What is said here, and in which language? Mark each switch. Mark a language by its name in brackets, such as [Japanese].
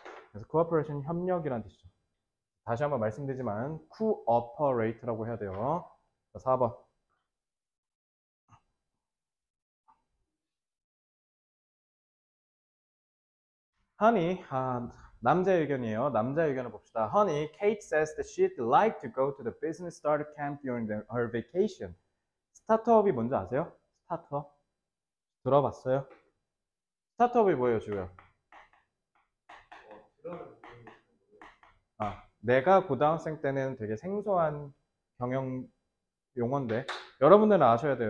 [Korean] 그래서 cooperation 협력이란 뜻이죠. 다시 한번 말씀드리지만, cooperate라고 해야 돼요. 자, 4번. 허니, 남자의 의견이에요. 남자의 의견을 봅시다. [English] Honey, Kate says that she'd like to go to the business startup camp during her vacation. [Korean] 스타트업이 뭔지 아세요? 스타트업? 들어봤어요? 스타트업이 뭐예요, 주요? 아, 내가 고등학생 때는 되게 생소한 경영 용어인데 여러분들은 아셔야 돼요.